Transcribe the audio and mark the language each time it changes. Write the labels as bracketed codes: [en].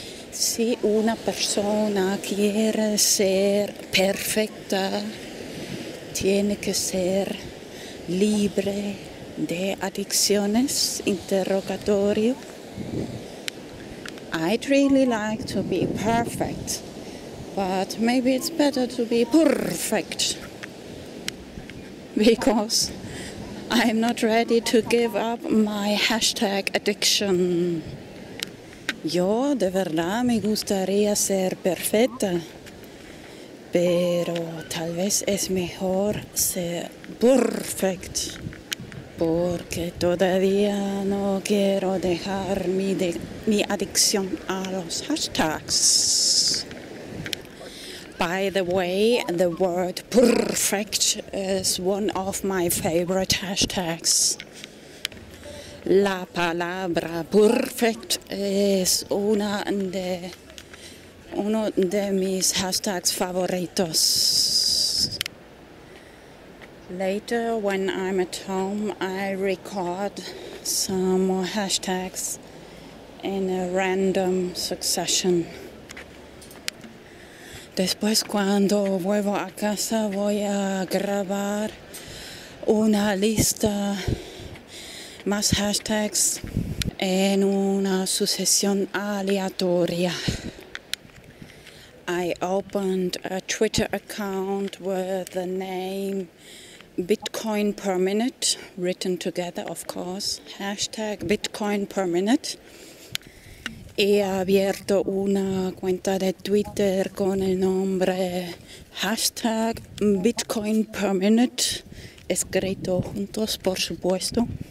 [es] Si una persona quiere ser perfecta, tiene que ser libre de adicciones? Interrogatorio. [en] I'd really like to be perfect, but maybe it's better to be PURRfect, because I'm not ready to give up my hashtag addiction. [es] Yo de verdad me gustaría ser perfecta, pero tal vez es mejor ser PURRfect. Porque todavía no quiero dejar mi adicción a los hashtags. [en] By the way, the word PURRfect is one of my favorite hashtags. [es] La palabra PURRfect es uno de mis hashtags favoritos. [en] Later, when I'm at home, I record some more hashtags in a random succession. [es] Después, cuando vuelvo a casa, voy a grabar una lista más hashtags en una sucesión aleatoria. [en] I opened a Twitter account with the name Bitcoin per minute, written together, of course, hashtag Bitcoin per minute. [es] He abierto una cuenta de Twitter con el nombre hashtag Bitcoin per minute, escrito juntos, por supuesto.